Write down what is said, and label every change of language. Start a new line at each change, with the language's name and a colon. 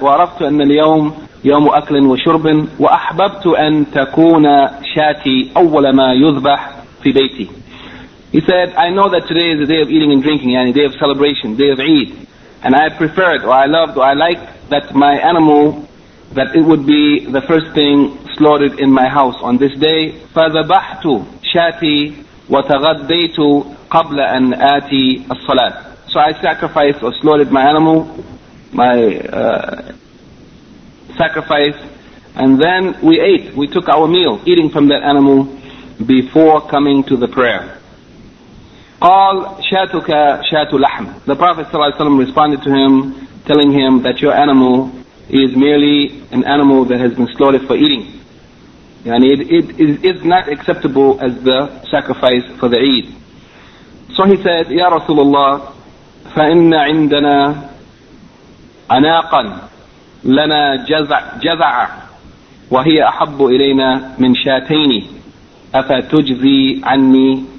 Arabic: وعرفت أن اليوم يوم أكل وشرب وأحببت أن تكون شاتي أول ما يذبح في بيتي.
English: He said, I know that today is a day of eating and drinking, yani day of celebration, day of Eid. And I preferred, or I loved, or I liked that my animal, that it would be the first thing slaughtered in my house on this day.
Arabic: فَذَبَحْتُ شَاتِي وَتَغَدَّيْتُ قَبْلَ أَنْ آتِي الصَّلَاةِ.
English: So I sacrificed or slaughtered my animal my sacrifice, and then we ate, we took our meal, eating from that animal before coming to the prayer.
Arabic: قال شاتك شات لحم.
English: The Prophet ﷺ responded to him, telling him that your animal is merely an animal that has been slaughtered for eating. And it is not acceptable as the sacrifice for the Eid. So he said,
Arabic: يا رسول الله فإن عندنا أناقا لنا جزع وهي أحب إلينا من شاتين أفتجزي عني.